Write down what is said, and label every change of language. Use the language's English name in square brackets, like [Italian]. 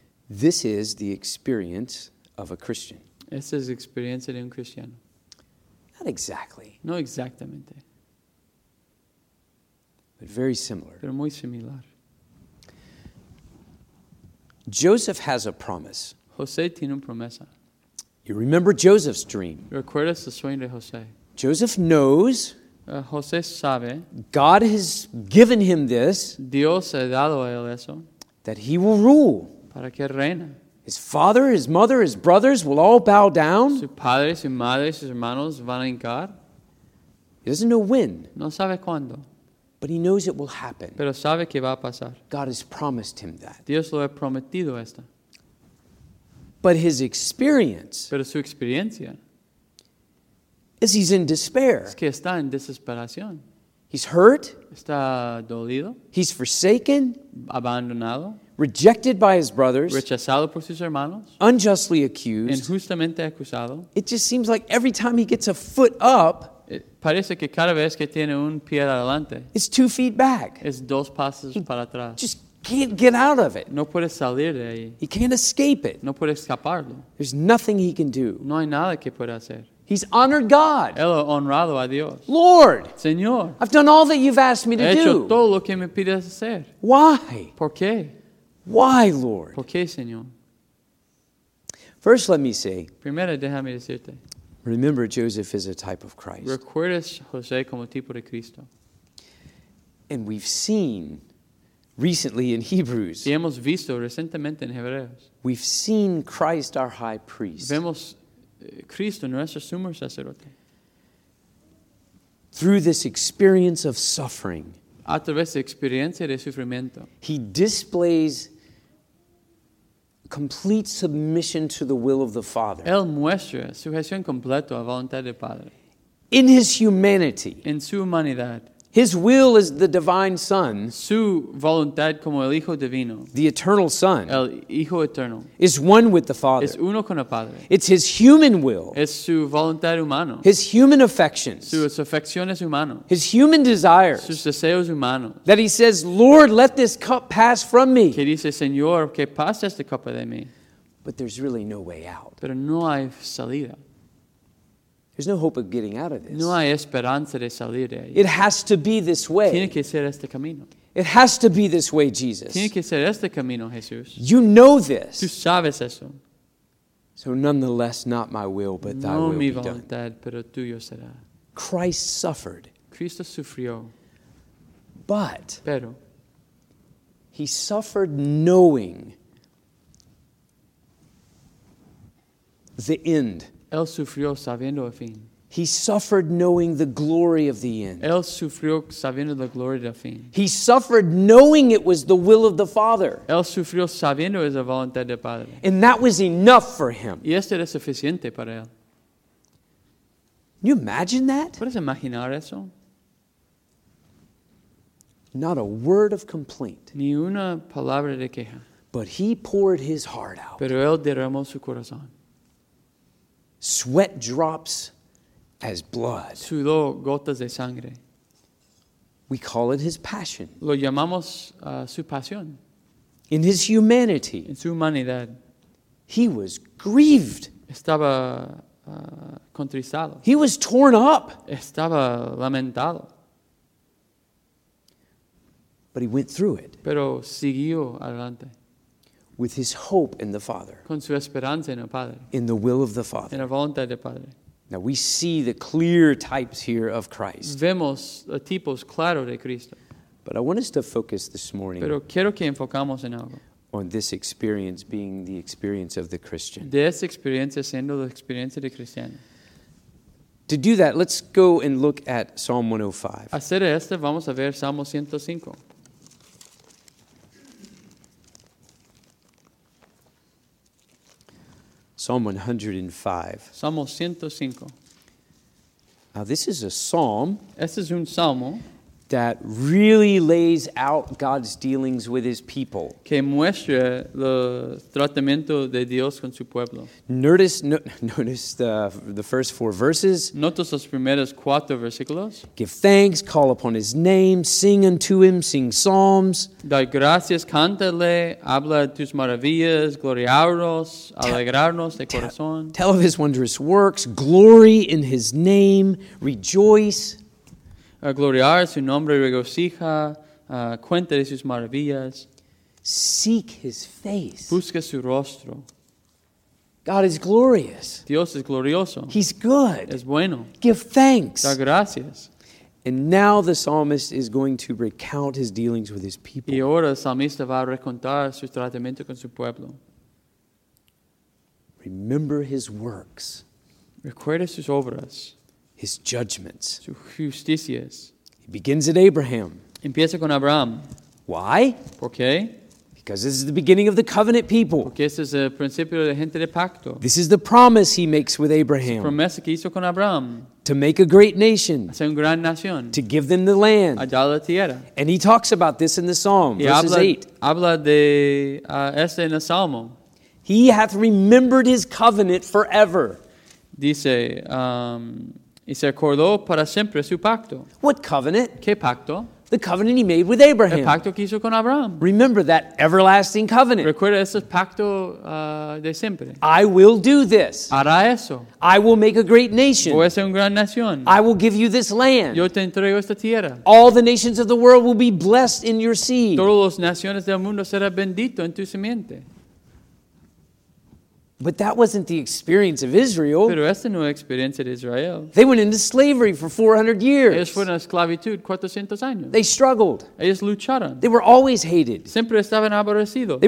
[English] This is the experience of a Christian. [Spanish] Esta es la experiencia de un cristiano. [English] Not exactly. [Spanish] No exactamente. [English] But very similar. [Spanish] Pero muy similar. [English] Joseph has a promise. [Spanish] José tiene una promesa. [English] You remember Joseph's dream. [Spanish] ¿Recuerdas el sueño de José? [English] Joseph knows. [Spanish] José sabe. [English] God has given him this. [Spanish] Dios ha dado a él eso. [English] That he will rule. [Spanish] Para que reine. [English] His father, his mother, his brothers will all bow down. [Spanish] Su padre, su madre, sus hermanos van a hincar. [English] He doesn't know when. [Spanish] No sabe cuándo. [English] But he knows it will happen. [Spanish] Pero sabe que va a pasar. [English] God has promised him that. [Spanish] Dios lo ha prometido esto. [English] But his experience. [Spanish] Pero su experiencia. [English] Is he's in despair. [Spanish] Es que está en desesperación. [English] He's hurt. [Spanish] Está dolido. [English] He's forsaken. [Spanish] Abandonado. [English] Rejected by his brothers. [Spanish] Rechazado por sus hermanos. [English] Unjustly accused. [Spanish] Injustamente acusado. [English] It just seems like every time he gets a foot up. [Spanish] Parece que cada vez que tiene un pie adelante, [English] it's 2 feet back. [Spanish] Es dos pasos para atrás. [English] Just can't get out of it. [Spanish] No puede salir de ahí. [English] He can't escape it. [Spanish] No puede escaparlo. [English] There's nothing he can do. [Spanish] No hay nada que pueda hacer. [English] He's honored God. [Spanish] Él ha honrado a Dios. [English] Lord. [Spanish] Señor. [English] I've done all that you've asked me to [Spanish] he hecho [English] do. [Spanish] Todo lo que me pides hacer. [English] Why? [Spanish] ¿Por qué? [English] Why, Lord? [Spanish] ¿Por qué, Señor? [English] First, let me say. [Spanish] Primero, déjame decirte. [English] Remember, Joseph is a type of Christ. [Spanish] Recuerdas José como tipo de Cristo. [English] And we've seen recently in Hebrews. [Spanish] Y hemos visto recentemente en Hebreos. [English] We've seen Christ, our high priest. [Spanish] Vemos Cristo, nuestro sumo sacerdote. [English] Through this experience of suffering. [Spanish] A través de experiencia de sufrimiento. [English] He displays complete submission to the will of the Father. [Spanish] Él muestra sujeción completa a voluntad del Padre. [English] In his humanity. [Spanish] En su humanidad. [English] His will is the divine Son. [Spanish] Su voluntad como el Hijo Divino. [English] The eternal Son. [Spanish] El Hijo Eterno. [English] Is one with the Father. [Spanish] Es uno con el Padre. [English] It's his human will. [Spanish] Es su voluntad humano. [English] His human affections. [Spanish] Sus afecciones humanos. [English] His human desires. [Spanish] Sus deseos humanos. [English] That he says, Lord, let this cup pass from me. [Spanish] Que dice, Señor, que pase esta copa de mí. [English] But there's really no way out. [Spanish] Pero no hay salida. [English] There's no hope of getting out of this. [Spanish] No hay esperanza de salir de ahí. [English] It has to be this way. [Spanish] Tiene que ser este camino. [English] It has to be this way, Jesus. [Spanish] Tiene que ser este camino, Jesús. [English] You know this. [Spanish] Tú sabes eso. [English] So nonetheless, not my will, but thy will be done. [Spanish] No mi voluntad, pero tuyo será. [English] Christ suffered. [Spanish] Cristo sufrió. [English] But. [Spanish] Pero. [English] He suffered knowing the end. [Spanish] Él sufrió sabiendo el fin. [English] He suffered knowing the glory of the end. [Spanish] Él sufrió sabiendo la gloria del fin. [English] He suffered knowing it was the will of the Father. [Spanish] Él sufrió sabiendo es la voluntad del Padre. [English] And that was enough for him. [Spanish] Y esto era suficiente para él. [English] Can you imagine that? [Spanish] ¿Puedes imaginar eso? [English] Not a word of complaint. [Spanish] Ni una palabra de queja. [English] But he poured his heart out. [Spanish] Pero él derramó su corazón. [English] Sweat drops as blood. [Spanish] Sudó gotas de sangre. [English] We call it his passion. [Spanish] Lo llamamos su pasión. [English] In his humanity. [Spanish] En su humanidad. [English] He was grieved. [Spanish] Estaba contristado. [English] He was torn up. [Spanish] Estaba lamentado. [English] But he went through it. [Spanish] Pero siguió adelante. [English] With his hope in the Father. [Spanish] Con su esperanza en el Padre. [English] In the will of the Father. [Spanish] En la voluntad del Padre. [English] Now we see the clear types here of Christ. [Spanish] Vemos los tipos claros de Cristo. [English] But I want us to focus this morning. [Spanish] Pero quiero que enfocamos en algo. [English] On this experience being the experience of the Christian. [Spanish] De esa experiencia siendo la experiencia de cristiano. [English] To do that, let's go and look at Psalm 105. [Spanish] Hacer esto, vamos a ver Salmo 105. [English] Psalm 105. [Spanish] Salmo 105. [English] Now this is a psalm. [Spanish] Este es un salmo. [English] that really lays out God's dealings with his people. [Spanish] Que muestra lo tratamiento de Dios con su pueblo. [English] Notice the first four verses. [Spanish] Notas los primeros cuatro versículos. [English] Give thanks, call upon his name, sing unto him, sing psalms. [Spanish] Dar gracias, cántale, habla de tus maravillas, gloriaros, alegrarnos de corazón. [English] Tell of his wondrous works, glory in his name, rejoice. [Spanish] Gloriar su nombre, regocija, cuenta de sus maravillas. [English] Seek his face. [Spanish] Busca su rostro. [English] God is glorious. [Spanish] Dios es glorioso. [English] He's good. [Spanish] Es bueno. [English] Give thanks. [Spanish] Dar gracias. [English] And now the psalmist is going to recount his dealings with his people. [Spanish] Y ahora el salmista va a recontar su tratamiento con su pueblo. [English] Remember his works. [Spanish] Recuerda sus obras. [English] His judgments. [Spanish] Su justicias. [English] He begins at Abraham. [Spanish] Empieza con Abraham. [English] Why? [Spanish] ¿Por qué? [English] Because this is the beginning of the covenant people. [Spanish] Porque este es el principio de gente de pacto. [English] This is the promise he makes with Abraham. [Spanish] Su promesa que hizo con Abraham. [English] To make a great nation. [Spanish] Hacer una gran nación. [English] To give them the land. [Spanish] A dar la tierra. [English] And he talks about this in the Psalm, [Spanish] y [English] verses 8. [Spanish] Habla de este en el Salmo. [English] He hath remembered his covenant forever. [Spanish] Dice, y se acordó para siempre su pacto. [English] What covenant? [Spanish] ¿Qué pacto? [English] The covenant he made with Abraham. [Spanish] El pacto que hizo con Abraham. [English] Remember that everlasting covenant. [Spanish] Recuerda ese pacto de siempre. [English] I will do this. [Spanish] Hará eso. [English] I will make a great nation. [Spanish] Voy a ser una gran nación. [English] I will give you this land. [Spanish] Yo te entrego esta tierra. [English] All the nations of the world will be blessed in your seed. [Spanish] Todas las naciones del mundo serán benditos en tu simiente. [English] But that wasn't the experience of Israel. [Spanish] Pero esta no es la experiencia de Israel. [English] They went into slavery for 400 years. [Spanish] Ellos fueron a esclavitud 400 años. [English] They struggled. [Spanish] Ellos lucharon. [English] They were always hated. [Spanish] Siempre estaban aborrecidos.